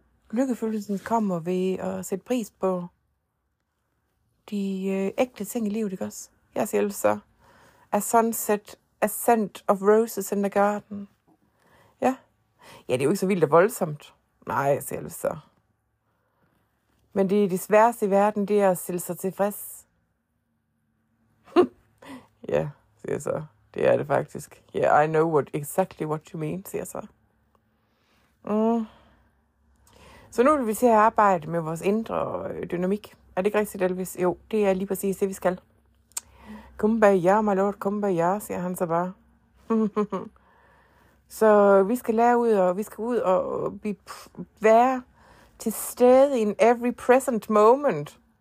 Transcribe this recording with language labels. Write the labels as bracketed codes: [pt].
[da] lykkefølelsen kommer ved at sætte pris på de ægte ting i livet, ikke også? Jeg siger altså så... [en] A sunset, a scent of roses in the garden. Ja. [da] Ja, det er jo ikke så vildt og voldsomt. Nej, jeg siger altså så... Men det er det sværeste i verden, det er at stille sig tilfreds. Ja, siger jeg så. Det er det faktisk. [en] Yeah, I know what exactly what you mean, [da] siger jeg så. Mm. Så nu vil vi til at arbejde med vores indre dynamik. Er det ikke rigtigt, Elvis? Jo, det er lige præcis det, vi skal. [en] Kumbaya, my lord, kumbaya, [da] siger han så bare. Så vi skal lære ud, og vi skal ud og være til stede [en] in every present moment.